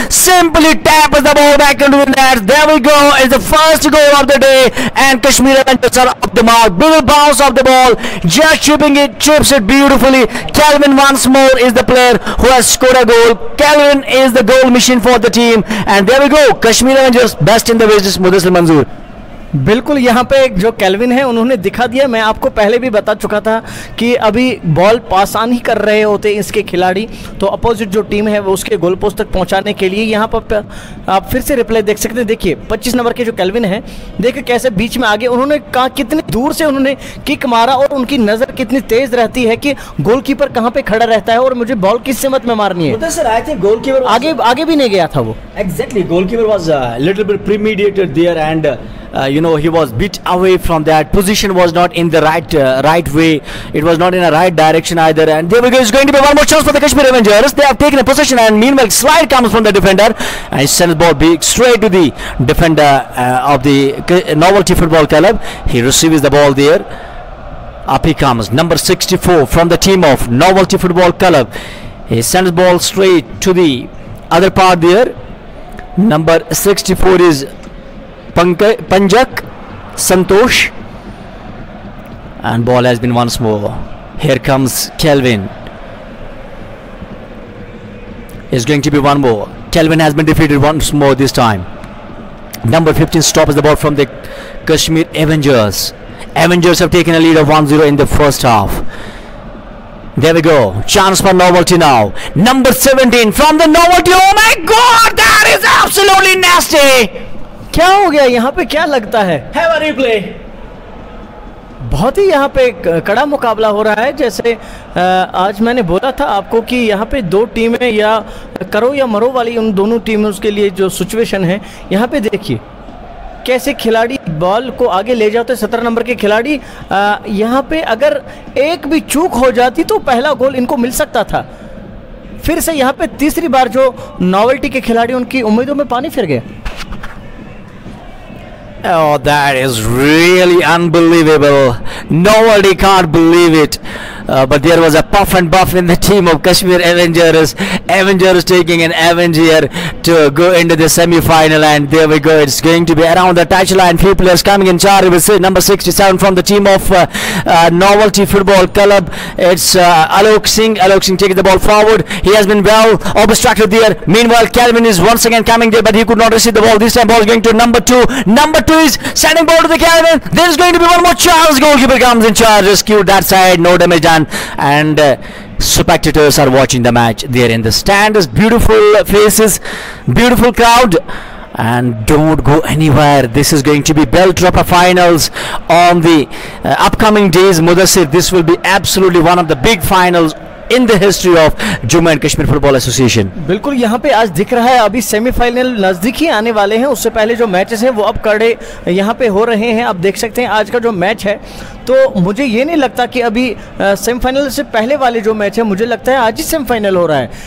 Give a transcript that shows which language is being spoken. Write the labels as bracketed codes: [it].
[en] Simply taps the ball back into the net. There we go. It's the first goal of the day. And Kashmir Avengers are up the mark. Bill bounce off the ball. Just chipping it. Chips it beautifully. Calvin once more is the player who has scored a goal. Calvin is the goal machine for the team. And there we go. Kashmir Avengers best in the business. Mudassir Manzoor. [hi] बिल्कुल, यहाँ पे जो kelvin है उन्होंने दिखा दिया. मैं आपको पहले भी बता चुका था कि अभी बॉल पास आन ही कर रहे होते इसके खिलाड़ी, तो अपोजिट जो टीम है वो उसके गोल पोस्ट तक पहुँचाने के लिए. यहाँ पर आप फिर से रिप्लाई देख सकते हैं. देखिए 25 नंबर के जो केल्विन है, देखिए कैसे बीच में आ गए. उन्होंने कहा कितनी दूर से उन्होंने किक मारा और उनकी नज़र कितनी तेज रहती है कि गोल कीपर कहाँ पर खड़ा रहता है और मुझे बॉल किस सिमत में मारनी है. तो सर आए थे गोल कीपर आगे आगे भी नहीं गया था वो. [en] Exactly, goalkeeper was little bit premeditated there and he was bit away from that. Position was not in the right way. It was not in a right direction either. And there we go. It's going to be one more chance for the Kashmir Avengers. They have taken a possession. And meanwhile, slide comes from the defender. And he sends the ball big straight to the defender of the Novelty Football Club. He receives the ball there. Up he comes. Number 64 from the team of Novelty Football Club. He sends the ball straight to the other part there. Number 64 is Panjak Santosh, and ball has been once more. Here comes Calvin. It's going to be one more. Calvin has been defeated once more this time. Number 15 stops the ball from the Kashmir Avengers. Avengers have taken a lead of 1-0 in the first half. There we go. Chance for Novelty now. Number 17 from the Novelty. Oh my god, that is absolutely nasty. [hi] क्या हो गया यहाँ पे, क्या लगता है? [en] Have a replay. [hi] बहुत ही यहाँ पे कड़ा मुकाबला हो रहा है. जैसे आज मैंने बोला था आपको कि यहाँ पे दो टीमें या करो या मरो वाली उन दोनों टीमों के लिए जो सिचुएशन है. यहाँ पे देखिए कैसे खिलाड़ी बॉल को आगे ले जाते हैं. 17 नंबर के खिलाड़ी यहाँ पे अगर एक भी चूक हो जाती तो पहला गोल इनको मिल सकता था. फिर से यहाँ पे तीसरी बार जो Novelty के खिलाड़ी उनकी उम्मीदों में पानी फिर गया. [en] Oh, that is really unbelievable. Nobody can't believe it. But there was a puff and buff in the team of Kashmir Avengers. Avengers taking an Avenger to go into the semi-final, and there we go. It's going to be around the touchline. Few players coming in. Charlie with number 67 from the team of Novelty Football Club. It's Alok Singh. Alok Singh taking the ball forward. He has been well obstructed there. Meanwhile, Calvin is once again coming there, but he could not receive the ball. This time, ball is going to number 2. Number 2 is sending ball to the Calvin. There is going to be one more chance. Goalkeeper comes in charge. Rescued that side. No damage done. And spectators are watching the match. They are in the stands. Beautiful faces. Beautiful crowd. And don't go anywhere. This is going to be belt dropper finals on the upcoming days. Mudassir, this will be absolutely one of the big finals in the history of Jammu and Kashmir Football Association. [hi] बिल्कुल यहाँ पे आज दिख रहा है अभी semifinal नजदीक ही आने वाले हैं. उससे पहले जो मैचेस हैं वो अब कड़े यहाँ पे हो रहे हैं. आप देख सकते हैं आज का जो मैच है, तो मुझे ये नहीं लगता कि अभी सेमीफाइनल से पहले वाले जो मैच है, मुझे लगता है आज ही सेमीफाइनल हो रहा है.